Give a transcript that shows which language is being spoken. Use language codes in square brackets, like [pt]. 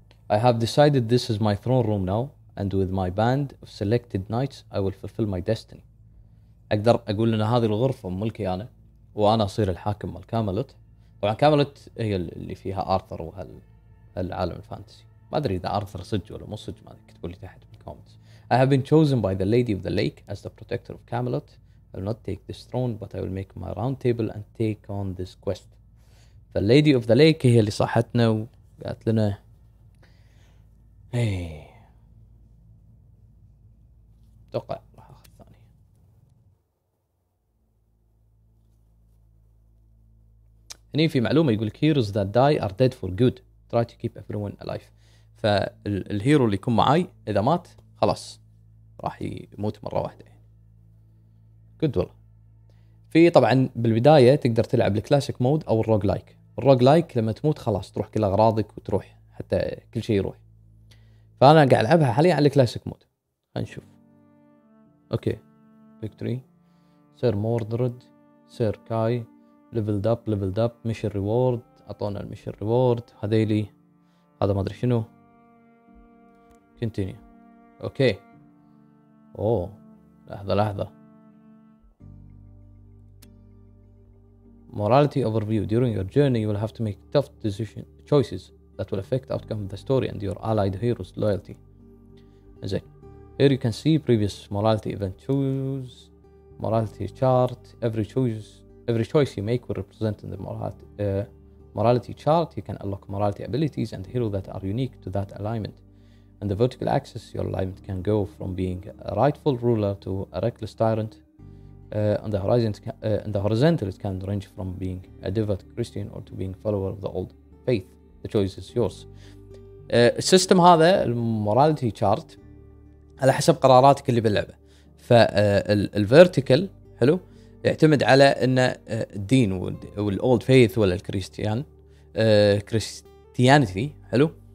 [en] I have decided this is my throne room now and with my band of selected knights I will fulfill my destiny. [ar] اقدر اقول ان هذه الغرفة ملكي انا وانا اصير الحاكم مال كاملوت. طبعا كاملوت هي اللي فيها ارثر وهالعالم الفانتسي. ما ادري اذا ارثر صدق ولا مو صدق، ما اكتبوا لي تحت بالكومنتس. [en] I have been chosen by the lady of the lake as the protector of Camelot. I will not take this throne but I will make my round table and take on this quest. The lady of the lake [ar] هي اللي صحتنا وقالت لنا توقع هني في معلومة يقول [en] heroes that die are dead for good. Try to keep everyone alive. [ar] فالهيرو اللي يكون معاي إذا مات خلاص راح يموت مرة واحدة. Good والله. في طبعا بالبداية تقدر تلعب الكلاسيك مود أو الروج لايك. الروج لايك لما تموت خلاص تروح كل أغراضك وتروح حتى كل شيء يروح. فأنا قاعد ألعبها حاليا على الكلاسيك مود. هنشوف. أوكي. Victory. Sir Mordred. Sir Kai. ليفلد اب ليفلد اب. ميشن ريورد اعطونا الميشن ريورد هذيلي. هذا ما ادري شنو. كونتينيو. اوكي لحظه موراليتي اوفر فيو. [en] During your journey you will have to make tough decision choices that will affect outcome of the story and your allied heroes loyalty. زين here you can see previous morality event choose morality chart every choice Every choice you make will represent in the morality chart. You can unlock morality abilities and heroes that are unique to that alignment. And the vertical axis, your alignment can go from being a rightful ruler to a reckless tyrant. On the horizontal, it can range from being a devout Christian or to being a follower of the old faith. The choice is yours. [ar] System هذا المورالتي تشارت على حسب قراراتك اللي باللعبه. فالفيرتيكال حلو يعتمد على ان الدين والاولد فيث ولا الكريستيان كريستيانيتي حلو.